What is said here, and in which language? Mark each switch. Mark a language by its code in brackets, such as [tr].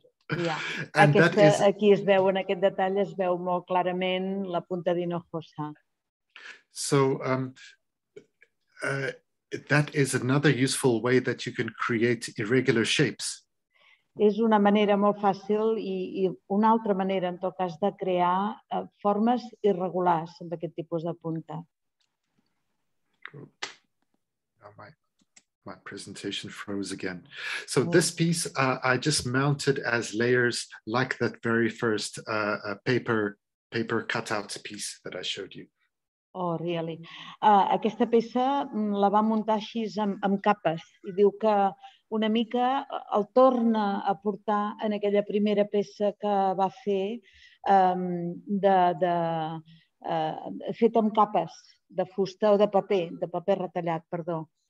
[ca] And aquesta, [en] that is, [ca] aquí es veu, en aquest detall es veu molt clarament la punta d'Hinojosa. [en] So that is another useful way that you can create irregular shapes. [ca] És una manera molt fàcil i una altra manera, en tot cas, de crear formes irregulars d'aquest tipus de punta. [en] My presentation froze again. So this piece I just mounted as layers like that very first paper cutout piece that I showed you. Oh, really? [ca] Aquesta peça la va muntar així amb capes i diu que una mica el torna a portar en aquella primera peça que va fer fet amb capes de fusta o de paper retallat, perdó.